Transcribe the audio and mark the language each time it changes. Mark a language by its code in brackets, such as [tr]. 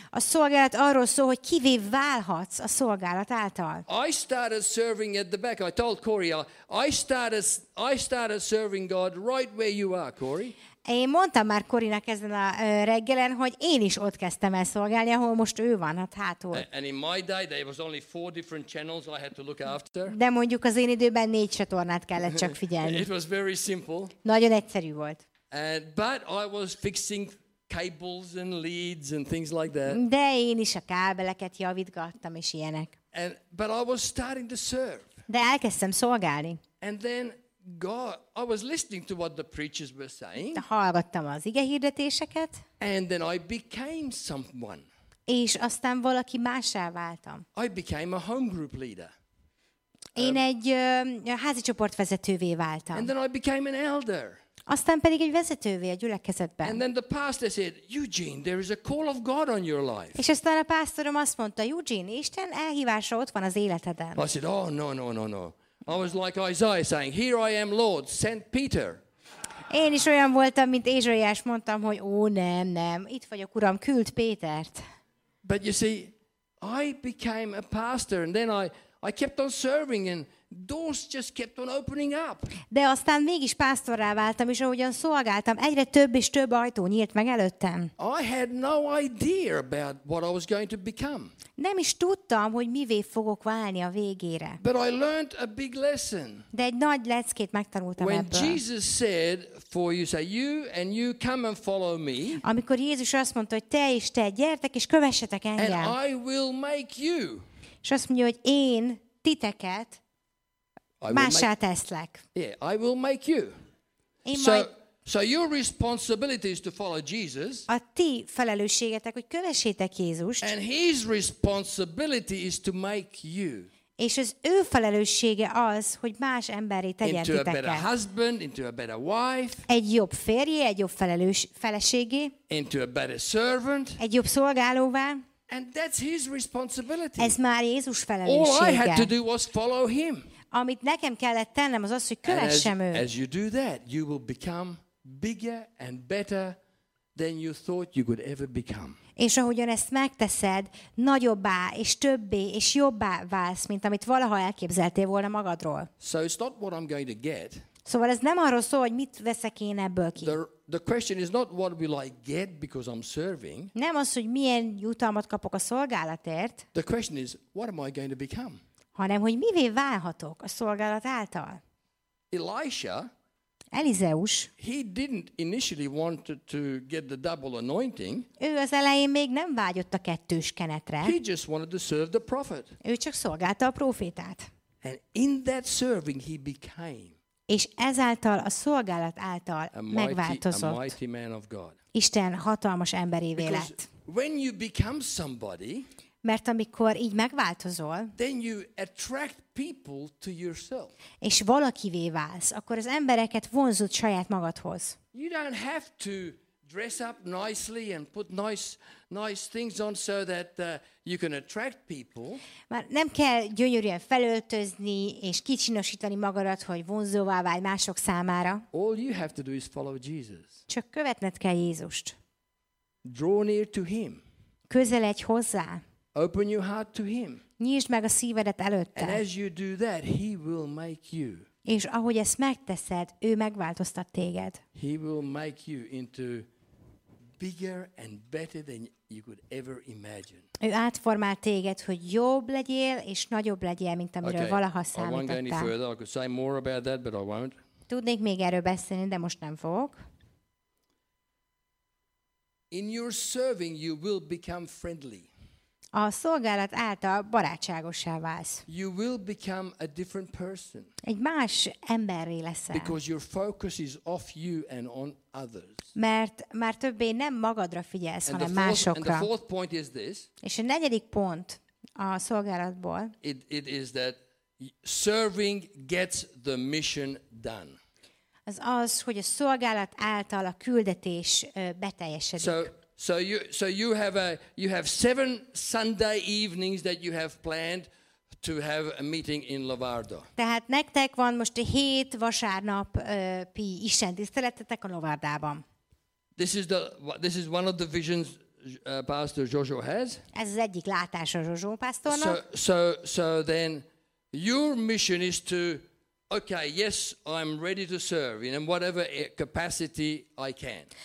[hu] A szolgálat arról szól, hogy kivé válhatsz a szolgálat által. [en] I started serving at the back. I told Corey, I started serving God right where you are, Corey. [hu] Én mondtam már Corinak ezen a reggelen, hogy én is ott kezdtem el szolgálni, ahol most ő van, hát hátul. [en] And in my day there was only four different channels I had to look after. [hu] De mondjuk az én időben négy csatornát kellett csak figyelni. [en] It was very simple. [hu] Nagyon egyszerű volt. [en] But I was fixing cables and leads and things like that. [hu] De én is a kábeleket javítgattam és ilyenek. [en] But I was starting to serve. [hu] De elkezdtem szolgálni. [en] And then God, I was listening to what the preachers were saying. [hu] Hallgattam az igehirdetéseket. [en] And then I became someone. [hu] És aztán valaki mássá váltam. [en] I became a home group leader. [hu] Én egy házi csoportvezetővé váltam. [en] And then I became an elder. [hu] Aztán pedig egy vezetővé a gyülekezetben. [en] And then the pastor said, Eugene, there is a call of God on your life. [hu] És aztán a pásztorom azt mondta, Eugene, Isten elhívása ott van az életeden. [en] I said, oh no. I was like Isaiah saying, "Here I am, Lord, send Peter." [hu] Én is olyan voltam, mint Ézsaiás, mondtam, hogy ó, nem, itt vagyok, Uram, küld Pétert. [en] But you see, I became a pastor and then I kept on serving and doors just kept on opening up. [hu] De aztán mégis pásztorrá váltam, és ahogyan szolgáltam, egyre több és több ajtó nyílt meg előttem. [en] I had no idea about what I was going to become. [hu] Nem is tudtam, hogy mivé fogok válni a végére. [en] But I learned a big lesson. [hu] De egy nagy leckét megtanultam [en] When [hu] ebből. [en] When Jesus said, "For you say you and you come and follow me." [hu] Amikor Jézus azt mondta, hogy te is te gyertek és kövessetek engem. [en] And I will make you. [hu] És azt mondja, hogy én titeket mássá teszlek. [en] Yeah, I will make you. [hu] Én so, majd [en] So your responsibility is to follow Jesus. [hu] A ti felelősségetek, hogy kövessétek Jézust. [en] And his responsibility is to make you. [hu] És az ő felelőssége az, hogy más emberré tegyen titeket. [en] Into a better husband, into a better wife. [hu] Egy jobb férjé, egy jobb felelős feleségé. [en] Into a better servant. [hu] Egy jobb szolgálóvá. [en] And that's his responsibility. [hu] Ez már Jézus felelőssége. [en] All I had to do was follow him. [hu] Amit nekem kellett tennem, az az, hogy kövessem őt. [en] As you do that, you will become bigger and better than you thought you could ever become. [hu] És ahogyan ezt megteszed, nagyobbá és többé és jobbá válsz, mint amit valaha elképzeltél volna magadról. [en] So it's not what I'm going to get. [hu] Szóval ez nem arról szól, hogy mit veszek én ebből ki. [en] The question is not what will I get because I'm serving. [hu] Nem az, hogy milyen jutalmat kapok a szolgálatért. [en] The question is what am I going to become? [hu] Hanem hogy mivé válhatok a szolgálat által. [en] Elisha, [hu] Elizeus, [en] he didn't initially want to get the double anointing. [hu] Ő az elején még nem vágyott a kettős kenetre. [en] He just wanted to serve the prophet. [hu] Ő csak szolgálta a prófétát. [en] And in that serving he became. [hu] És ezáltal a szolgálat által megváltozott. [en] A mighty man of God. [hu] Isten hatalmas emberévé lett. [en] When you become somebody, [hu] mert amikor így megváltozol, [en] then you attract people to yourself. [hu] És valakivé válsz, akkor az embereket vonzod saját magadhoz. [en] You don't have to dress up nicely and put nice things on so that you can attract people. [hu] Már nem kell gyönyörűen felöltözni és kicsinosítani magadat, hogy vonzóvá válj mások számára. [en] All you have to do is follow Jesus. [hu] Csak követned kell Jézust. [en] Draw near to him. [hu] Közeledj hozzá. [en] Open your heart to him. [hu] Nyisd meg a szívedet előtte. [en] And as you do that, he will make you. [hu] És ahogy ezt megteszed, ő megváltoztat téged. [en] He will make you into bigger and better than you could ever imagine. [hu] Ő átformál téged, hogy jobb legyél és nagyobb legyél, mint amiről okay, valaha számítottál. [en] I won't go any further. I could say more about that, but I won't. [hu] Tudnék még erről beszélni, de most nem fogok. [en] In your serving, you will become friendly. [hu] A szolgálat által barátságossá válsz. [en] You will become a different person. [hu] Egy más emberré leszel. [en] Because your focus is off you and on others. [hu] Mert már többé nem magadra figyelsz, hanem másokra. [en] And the fourth point is this. [hu] És a negyedik pont a szolgálatból. [en] It is that serving gets the mission done. [hu] Az az, hogy a szolgálat által a küldetés beteljesedik. [en] So you have 7 Sunday evenings that you have planned to have a meeting in Lavardo. [hu] Tehát nektek van most 7 vasárnap istentiszteletetek a Lavardában. [en] This is one of the visions Pastor Jojo has. [hu] Ez az egyik látása Jojo pásztornak. [en] So then your mission is to okay, yes, I'm ready to serve in whatever capacity I can.